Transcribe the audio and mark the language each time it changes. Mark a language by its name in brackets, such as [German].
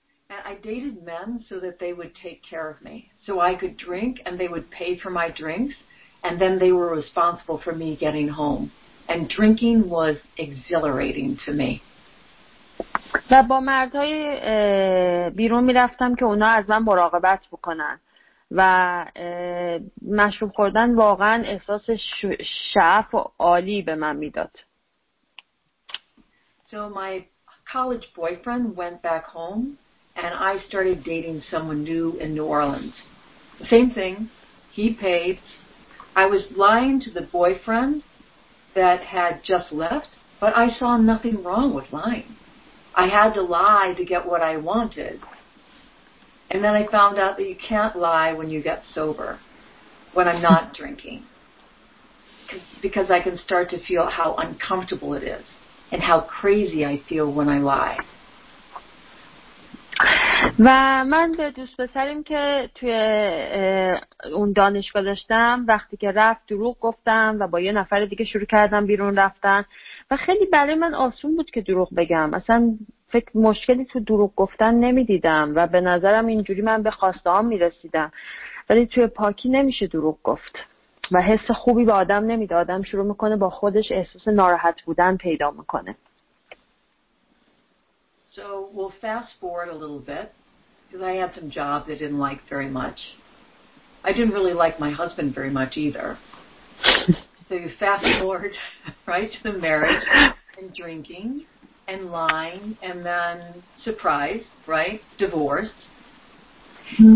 [English] And I dated men so that they would take care of me, so I could drink and they would pay for my drinks and then they were responsible for me getting home. And drinking was exhilarating to me. [Persian] و با مردهای بیرون میرفتم که اونا از من مراقبت بکنن و مشروب خوردن واقعا احساس شعف و عالی به من میداد. [English] So my college boyfriend went back home and I started dating someone new in New Orleans. Same thing, he paid. I was lying to the boyfriend that had just left, but I saw nothing wrong with lying. I had to lie to get what I wanted. And then I found out that you can't lie when you get sober, when I'm not drinking, because I can start to feel how uncomfortable it is and how crazy I feel when I lie. [Persian] و من به دوست پسریم که توی اون دانشگاه داشتم، وقتی که رفت دروغ گفتم و با یه نفر دیگه شروع کردم بیرون رفتن و خیلی برای من آسون بود که دروغ بگم. اصلا فکر مشکلی تو دروغ گفتن نمیدیدم و به نظرم اینجوری من به خواسته هام میرسیدم، ولی توی پاکی نمیشه دروغ گفت و حس خوبی به آدم نمیده. آدم شروع میکنه با خودش احساس ناراحت بودن پیدا میکنه. [English] So we'll fast forward a little bit because I had some jobs I didn't like very much. I didn't really like my husband very much either. So you fast forward right to the marriage and drinking and lying and then surprise, right? Divorce. Mm-hmm.